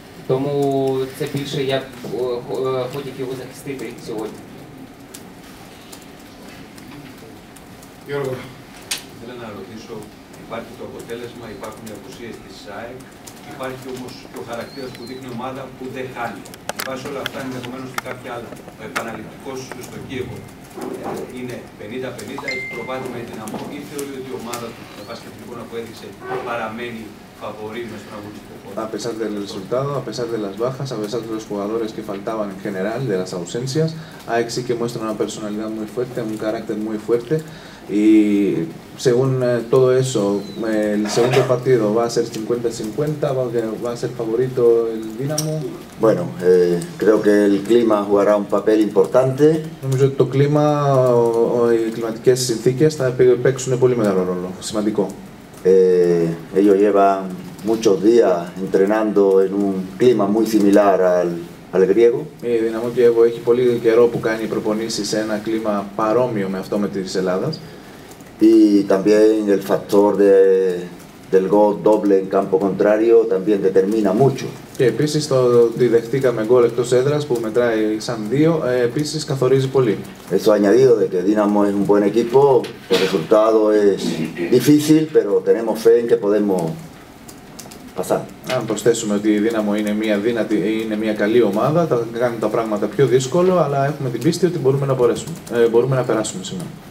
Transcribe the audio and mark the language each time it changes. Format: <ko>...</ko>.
<uk>Тому це більше я хотів його захистити сьогодні.</uk> <el>Георго, ήθελα να ρωτήσω, υπάρχει το αποτέλεσμα, υπάρχουν οι απουσίες της ΣΑΕΚ, υπάρχει όμως και ο χαρακτήρας που δείχνει ομάδα που δεν χάνει. Υπάρχει όλα αυτά ενδεχομένως και κάποια άλλα. Ο επαναληπτικός στο Κίεβο. Είναι 50-50, έχει προβάδισμα η Δυναμό ή θεωρεί ότι η ομάδα του βασκευτικού που έδειξε παραμένει φαβορή μες στον αγωνιστικό χώρο.</el> <es>A pesar del resultado, a pesar de las bajas, a pesar de los jugadores que faltaban en general, de las ausencias, AEC sí que muestra una personalidad muy fuerte, un carácter muy fuerte. Y según todo eso, el segundo partido va a ser 50-50, va a ser favorito el Dinamo. Bueno, creo que el clima jugará un papel importante.</es> <el>Νομίζω ότι το κλίμα, οι κλιματικές συνθήκες θα παίξουν πολύ μεγάλο ρόλο, σημαντικό.</el> <es>Ellos llevan muchos días entrenando en un clima muy similar al griego.</es> <el>Η Δυναμό Κιέβο έχει πολύ καιρό που κάνει προπονήσεις σε ένα κλίμα παρόμοιο με αυτό με τη Ελλάδα.</el> <es>Y también el factor del gol doble en campo contrario también determina mucho.</es> <el>Και επίσης το ότι δεχτήκαμε γκολ εκτός έδρας που μετράει σαν δύο, επίσης καθορίζει πολύ.</el> <es>Eso añadido de que Dinamo es un buen equipo, el resultado es difícil, pero tenemos fe en que podemos pasar.</es> <el>Αν προσθέσουμε ότι η Δύναμο είναι μια καλή ομάδα, θα κάνει τα πράγματα πιο δύσκολο, αλλά έχουμε την πίστη ότι μπορούμε να περάσουμε σήμερα.</el>